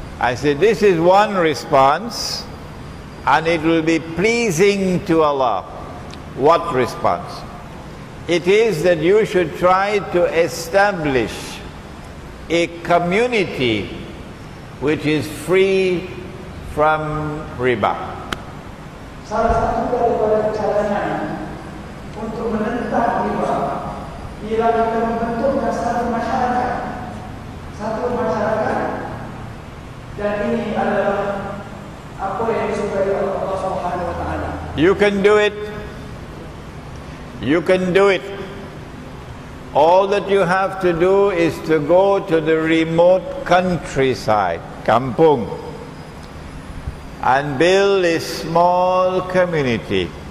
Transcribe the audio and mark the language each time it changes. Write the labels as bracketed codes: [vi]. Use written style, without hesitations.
[en] I said, this is one response, and it will be pleasing to Allah. What response? It is that you should try to establish a community which is free from riba. [ms] Salah satu daripada caranya untuk menentang riba ialah dengan membentuk satu masyarakat. Satu masyarakat. Dan ini adalah apa yang disukai Allah Subhanahu wa Ta'ala. [en] You can do it. You can do it. All that you have to do is to go to the remote countryside, kampung, and build a small community.